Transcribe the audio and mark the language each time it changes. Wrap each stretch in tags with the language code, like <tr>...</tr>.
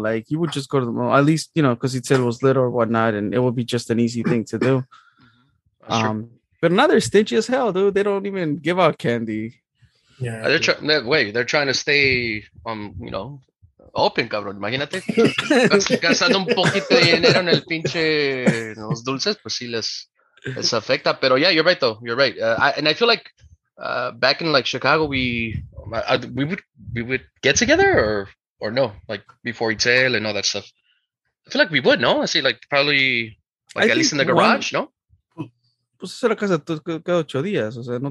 <en>Like, you would just go to the mall, at least, you know, because he said it was little or whatnot, and it would be just an easy thing to do. But now they're stingy as hell, dude. They don't even give out candy. Yeah, they're trying to stay, you know, open, cabrón.</en> <es>Imagínate. Gastando un poquito de dinero en el pinche en los dulces, pues sí les afecta.</es> <en>Pero yeah, you're right, though. You're right. I feel like back in, like, Chicago, we would get together or no, like before Itzel and all that stuff. I feel like we would, no? I see, like, probably, like, at least in the garage, no?</en> <es>Pues eso era casa cada 8 días. O sea, no,</es>